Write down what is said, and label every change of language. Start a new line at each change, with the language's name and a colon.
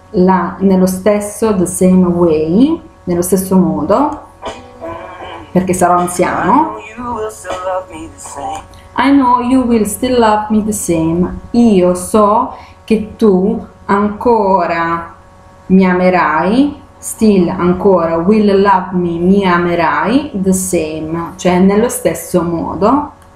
Italian: Nello stesso,
English: the same way,
Italian: nello stesso modo, perché sarò
English: I
Italian: anziano.
English: know you will still love me the same. I know you will still love me the same.
Italian: Io so che tu ancora mi amerai, still ancora
English: will love me,
Italian: mi amerai
English: the same,
Italian: cioè nello stesso modo.